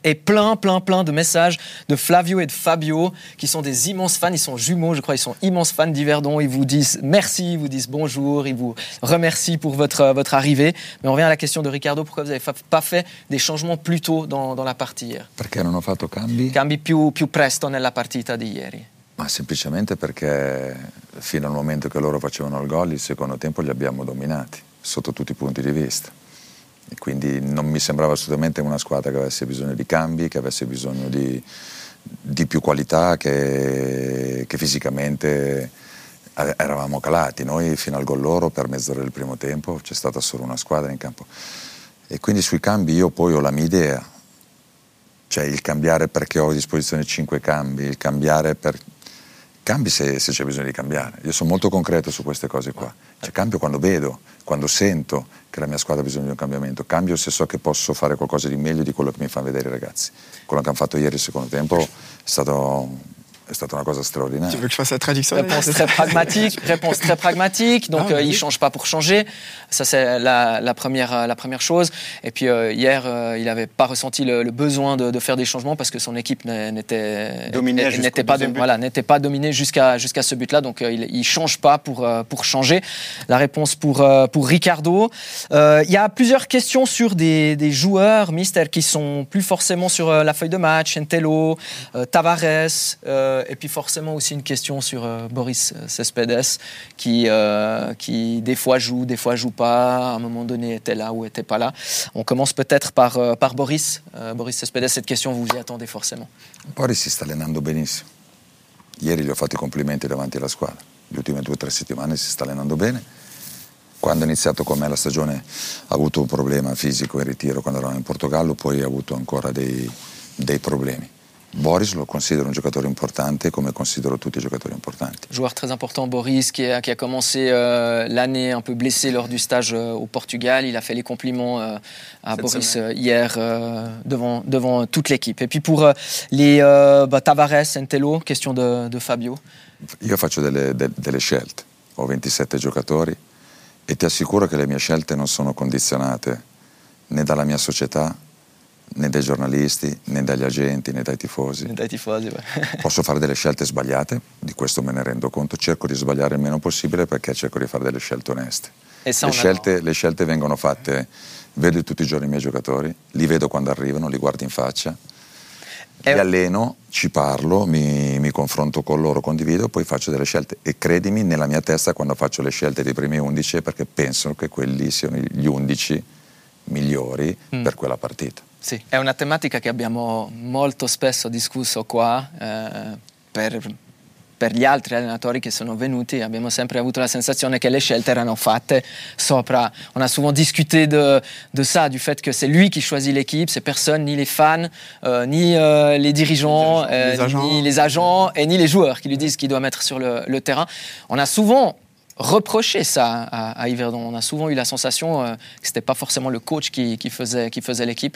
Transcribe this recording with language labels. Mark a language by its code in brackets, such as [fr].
[fr] Et plein de messages de Flavio et de Fabio qui sont des immenses fans. Ils sont jumeaux, je crois. Ils sont immenses fans d'Yverdon. Ils vous disent merci, ils vous disent bonjour, ils vous remercient pour votre arrivée. Mais on revient à la question de Ricardo. Pourquoi vous n'avez pas fait des changements plus tôt dans la partie hier? [it] Perché non ho fatto cambi? Cambi più presto nella partita di ieri. Ma semplicemente perché fino al momento che loro facevano il gol, il secondo tempo li abbiamo dominati, sotto tutti i punti di vista. E quindi non mi sembrava assolutamente una squadra che avesse bisogno di cambi, che avesse bisogno di più qualità, che fisicamente eravamo calati. Noi fino al gol loro, per mezz'ora del primo tempo, c'è stata solo una squadra in campo. E quindi sui cambi io poi ho la mia idea. Cioè il cambiare perché ho a disposizione 5 cambi, il cambiare per... Cambi se c'è bisogno di cambiare. Io sono molto concreto su queste cose qua. Cioè, cambio quando vedo, quando sento che la mia squadra ha bisogno di un cambiamento. Cambio se so che posso fare qualcosa di meglio di quello che mi fanno vedere i ragazzi. Quello che hanno fatto ieri il secondo tempo è stata una cosa straordinaria. Tu vuoi che faccia la traduzione? [fr] Réponse très pragmatique. Donc, il ne change pas pour changer. Ça, c'est la première chose. Et puis, hier, il n'avait pas ressenti le besoin de faire des changements parce que son équipe n'était pas dominée jusqu'à ce but-là. Donc, il ne change pas pour changer. La réponse pour Ricardo. Il y a plusieurs questions sur des joueurs, Mister, qui ne sont plus forcément sur la feuille de match. Entelo, Tavares... Et puis forcément aussi une question sur Boris Cespedes, qui des fois joue pas, à un moment donné était là ou était pas là. On commence peut-être par Boris. Boris Cespedes, cette question, vous vous y attendez forcément. [it] Boris si sta allenando benissimo. Ieri gli ho fatto i complimenti davanti alla squadra. Le ultime due o tre settimane si sta allenando bene. Quando è iniziato con me la stagione ha avuto un problema fisico in ritiro quando eravamo in Portogallo, poi ha avuto ancora dei problemi. Boris lo considero un giocatore importante come considero tutti i giocatori importanti. [fr] Joueur très important Boris qui a commencé l'année un peu blessé lors du stage au Portugal, il a fait les compliments à cette Boris semaine. Hier devant toute l'équipe. Et puis pour Tavares, Entello, question de Fabio. [it] Io faccio delle scelte, ho 27 giocatori e ti assicuro che le mie scelte non sono condizionate né dalla mia società né dai giornalisti né dagli agenti né dai tifosi. Posso fare delle scelte sbagliate, di questo me ne rendo conto, cerco di sbagliare il meno possibile perché cerco di fare delle scelte oneste. Le scelte vengono fatte, vedo tutti i giorni i miei giocatori, li vedo quando arrivano, li guardo in faccia. Mi alleno, ci parlo, mi confronto con loro, condivido, poi faccio delle scelte. E credimi, nella mia testa, quando faccio le scelte dei primi 11, perché penso che quelli siano gli 11 migliori per quella partita. Sì, è una tematica che abbiamo molto spesso discusso qua, per gli altri allenatori che sono venuti, abbiamo sempre avuto la sensazione che le scelte erano fatte sopra. [fr] On a souvent discuté de ça, du fait que c'est lui qui choisit l'équipe, c'est personne, ni les fans, ni les dirigeants, ni les agents, et ni les joueurs qui lui disent qu'il doit mettre sur le terrain. On a souvent reproché ça à Yverdon. On a souvent eu la sensation que c'était pas forcément le coach qui faisait l'équipe.